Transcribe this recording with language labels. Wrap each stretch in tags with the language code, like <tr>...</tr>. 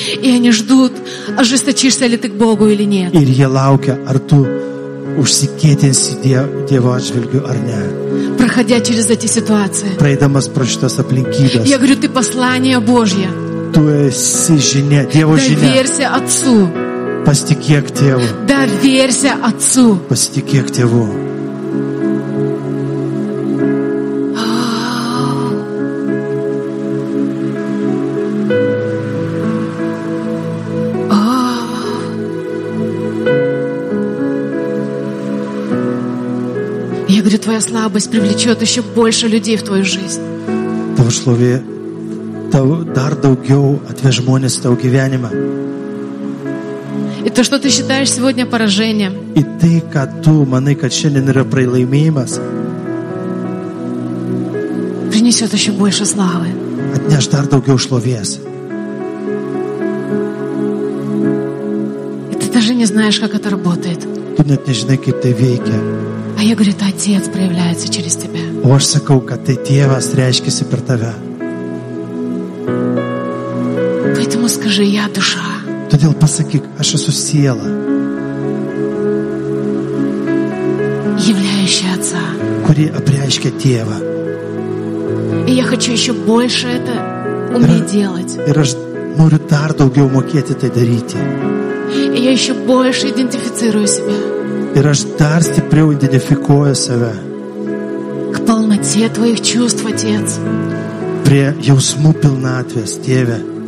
<ru>И они ждут, ожесточишься ли ты к Богу или нет.</ru> <lt>Ir jie laukia, ar tu užsikėtinsi Dievo atžvilgiu ar ne.</lt> <ru>Проходя через эти ситуации.</ru> <lt>Praeidamas pro šitas aplinkybės.</lt> <ru>Я говорю, ты послание Божье.</ru> <lt>Tu esi žinia, Dievo žinia.</lt> <ru>Доверься Отцу.</ru> <lt>Pasitikėk Tėvu.</lt> <ru>Доверься Отцу.</ru> <lt>Pasitikėk Tėvu.</lt> <ru>Я говорю, твоя слабость привлечет еще больше людей в твою жизнь.</ru> <lt>Tavo šlovė dar daugiau atveš žmonės tavo gyvenimą.</lt> <ru>И то, что ты считаешь сегодня поражением. И ты,</ru> <lt>kad tu manai, kad šiandien yra pralaimėjimas.</lt> <ru>Принесет еще больше славы.</ru> <lt>Atneš dar daugiau šlovės.</lt> <ru>И ты даже не знаешь, как это работает.</ru> <lt>Tu net nežinai, kaip tai veikia.</lt> <ru>А я говорю, это Отец проявляется через тебя.</ru> <lt>O aš sakau, kad tai Tėvas reiškiasi per tave.</lt> <ru>Поэтому скажи, я душа.</ru> <lt>Todėl pasakyk, aš esu siela.</lt> <ru>Являющая Отца.</ru> <lt>Kuri apreiškia Tėvą.</lt> <ru>И я хочу еще больше это уметь делать.</ru> <lt>Ir aš noriu dar daugiau mokėti tai daryti.</lt> <ru>И я еще больше идентифицирую себя.</ru> <lt>Ir aš dar stipriau identifikuoju save.</lt> <ru>К полноте твоих чувств, Отец.</ru> <lt>Prie jausmų pilnatvės, Tėve.</lt>